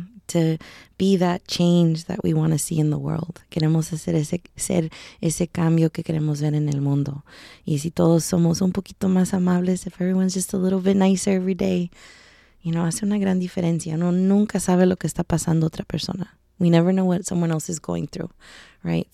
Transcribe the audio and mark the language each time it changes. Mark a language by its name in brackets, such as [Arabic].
[English] To be that change that we want to see in the world. [Spanish] Queremos hacer ese cambio que queremos ver en el mundo. Y si todos somos un poquito más amables, [English] if everyone's just a little bit nicer every day, you know, [Spanish] hace una gran diferencia. Uno nunca sabe lo que está pasando otra persona. [English] We never know what someone else is going through, right?